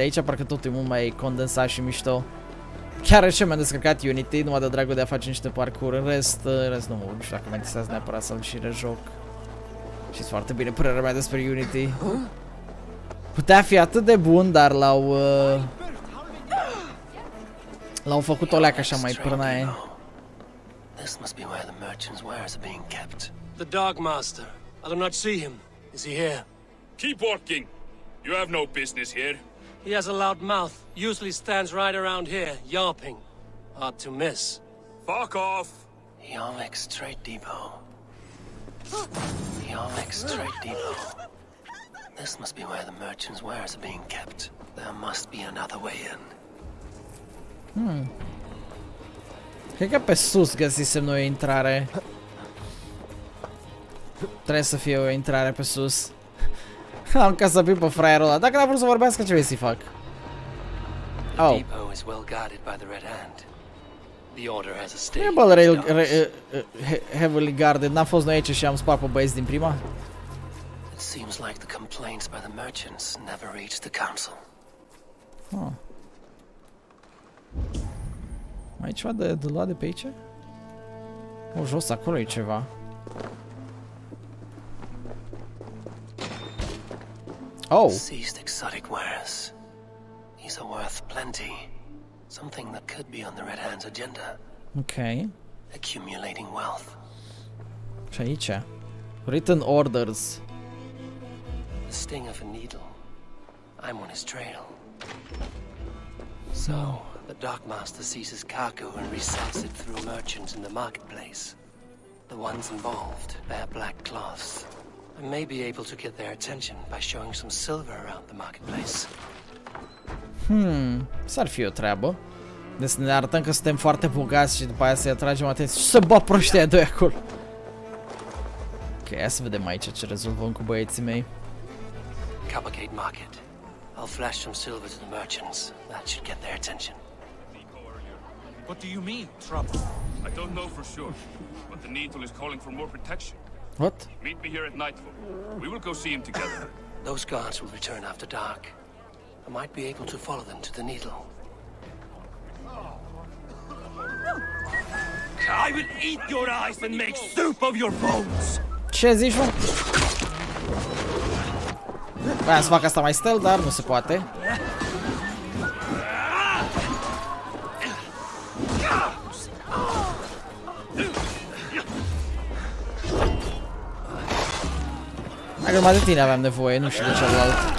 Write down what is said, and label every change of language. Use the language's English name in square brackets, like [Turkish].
[Romanian] Aici parcă totul e mult mai condensat și mișto. Chiar așa mi-am descărcat Unity, numai de dragul de a face niște parkour. În rest, nu mă știu dacă mă interesează neapărat să-l și rejoc. Și-s foarte bine părerea mea despre Unity. Putea fi atât de bun, dar l-au... l-au făcut o leacă așa mai prânaie. [English] This must be where the merchant's wares are being kept. The Dark Master. I do not see him. Is he here? Keep walking. You have no business here. He has a loud mouth. Usually stands right around here, yarping. Hard to miss. Fuck off! Yarmix Trade Depot. Yarmix Trade Depot. This must be where the merchant's wares are being kept. There must be another way in. Hmm. [Romanian] Cred că pe sus găsisem noi intrare. Trebuie să fie o intrare pe sus. Am ca să fiu pe fraierul ăla. Dacă n-a vrut să vorbească, ce vrei să-i fac? Oh. [English] The depot is well guarded by the Red Hand. The order has a stake. [Romanian] E bălă, heavily guarded. N-am fost noi aici și am spart pe băieți din prima. [English] It seems like the complaints by the merchants never reached the council. Oh. [Romanian] Mai e ceva de luat de pe aici? O, jos, acolo e ceva. Oh. [English] Seized exotic wares. These are worth plenty. Something that could be on the Red Hand's agenda. Okay. Accumulating wealth. [Romanian] Ce aici? Written orders. [English] The sting of a needle. I'm on his trail. So... the Dark Master seizes cargo and resells it through merchants in the marketplace. The ones involved bear black cloths. I may be able to get their attention by showing some silver around the marketplace. [Romanian] Hmm, s-ar fi o treabă. Deci ne arătăm că suntem foarte bogați și după aia să-i atragem atenție și să bă proștia doi acolo. Ok, hai să vedem aici ce rezolvăm cu băieții mei. [English] Capacate Market. I'll flash some silver to the merchants. That should get their attention. What do you mean, trouble? I don't know for sure, but the needle is calling for more protection. What? Meet me here at nightfall. We will go see him together. Those guards will return after dark. I might be able to follow them to the needle. I will eat your eyes and make soup of your bones! [Romanian] Ce zici, mă? Vreau să fac asta mai stealth, dar nu se poate. Hai că numai de tine aveam nevoie, nu știu de celălalt.